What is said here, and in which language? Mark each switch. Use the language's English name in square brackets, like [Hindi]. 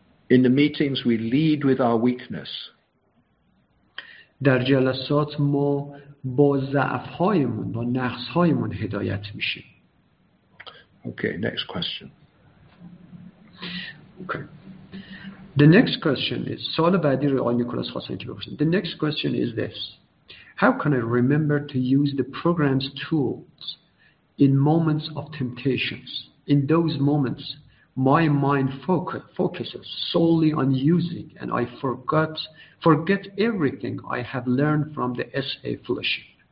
[English] In the meetings we lead with our weakness. [Persian] در جلسات ما با ضعف‌هایمون، با نقص‌هایمون هدایت میشیم. [English] Okay, next question. Okay. The next question is, [Persian] سوال بعدی رو آقای نیکولاس خواستن که بپرسن. [English] The next question is this. How can I remember to use the program's tools in moments of temptations? In those moments, my mind focuses solely on using, and I forget everything I have learned from the SA fellowship.